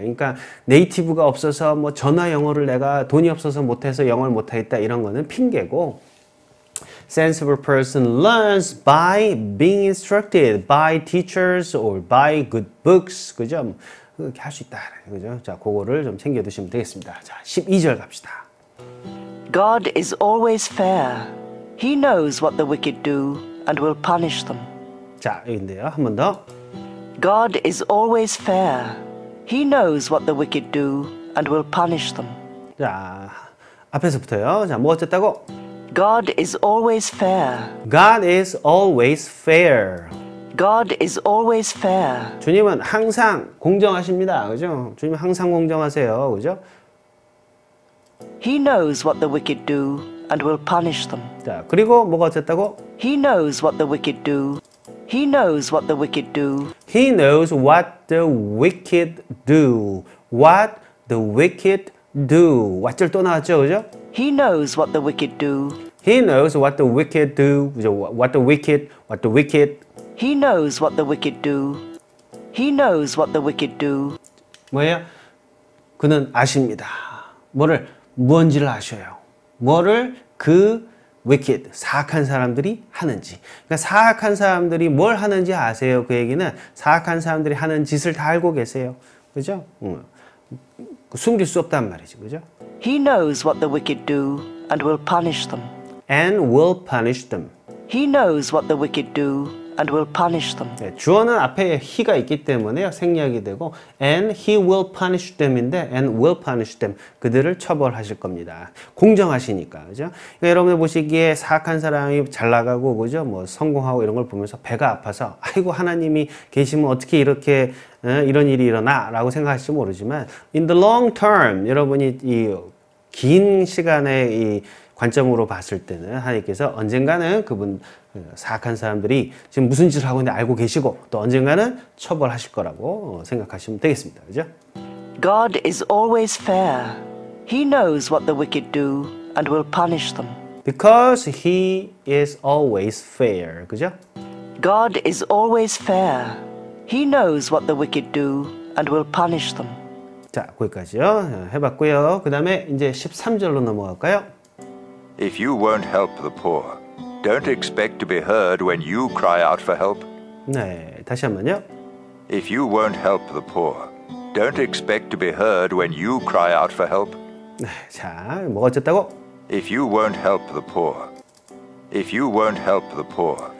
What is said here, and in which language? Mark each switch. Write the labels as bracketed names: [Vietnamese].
[Korean] 그러니까 네이티브가 없어서 뭐 전화 영어를 내가 돈이 없어서 못 해서 영어를 못 하겠다 이런 거는 핑계고 [English] Sensible person learns by being instructed by teachers or by good books. [Korean] 그죠? 그렇게 할 수 있다. 그죠? 자, 그거를 좀 챙겨두시면 되겠습니다. 자, 12절 갑시다. [English] God is always fair. He knows what the wicked do and will punish them. [Korean] 자, 여기인데요. 한 번 더. [English] God is always fair. He knows what the wicked do and will punish them. [Korean] 자, 앞에서부터요. 자, 뭐 어쨌다고? [English] God is always fair. God is always fair. God is always fair. [Korean] 주님은 항상 공정하십니다. 그죠? 주님 항상 공정하세요. 그죠? [English] He knows what the wicked do and will punish them. [Korean] 자, 그리고 뭐가 어쨌다고? [English] He knows what the wicked do. He knows what the wicked do. He knows what the wicked do. What the wicked do. What절 [Korean] 또 나왔죠? 그죠? [English] He knows what the wicked do. He knows what the wicked do. What the wicked. He knows what the wicked do. He knows what the wicked do. [Korean] 뭐예요? 그는 아십니다. 뭐를? 무언지를 아셔요. 뭐를 그 wicked, 사악한 사람들이 하는지. 그러니까 사악한 사람들이 뭘 하는지 아세요. 그 얘기는 사악한 사람들이 하는 짓을 다 알고 계세요. 그죠? 숨길 수 없단 말이지, 그죠? [English] He knows what the wicked do and will punish them. And will punish them. He knows what the wicked do and will punish them. [Korean] 네, 주어는 앞에 he가 있기 때문에 생략이 되고 [English] and he will punish them [Korean] 인데 [English] and will punish them. [Korean] 그들을 처벌하실 겁니다. 공정하시니까, 그죠? 그러니까 여러분 보시기에 사악한 사람이 잘 나가고, 그죠? 뭐 성공하고 이런 걸 보면서 배가 아파서 아이고, 하나님이 계시면 어떻게 이렇게 이런 일이 일어나 라고 생각하실지 모르지만 [English] in the long term [Korean] 여러분이 이 긴 시간의 이 관점으로 봤을 때는 하나님께서 언젠가는 그분 사악한 사람들이 지금 무슨 짓을 하고 있는지 알고 계시고 또 언젠가는 처벌하실 거라고 생각하시면 되겠습니다. 그죠? [English] God is always fair. He knows what the wicked do and will punish them. Because he is always fair. [Korean] 그죠? [English] God is always fair. He knows what the wicked do and will punish them. [Korean] 자, 거기까지요. 해봤고요. 그 다음에 이제 13절로 넘어갈까요? [English] If you won't help the poor, don't expect to be heard when you cry out for help. [Korean] 네, 다시 한번요. [English] If you won't help the poor, don't expect to be heard when you cry out for help. [Korean] 자, 뭐가 어쨌다고? [English] If you won't help the poor, if you won't help the poor,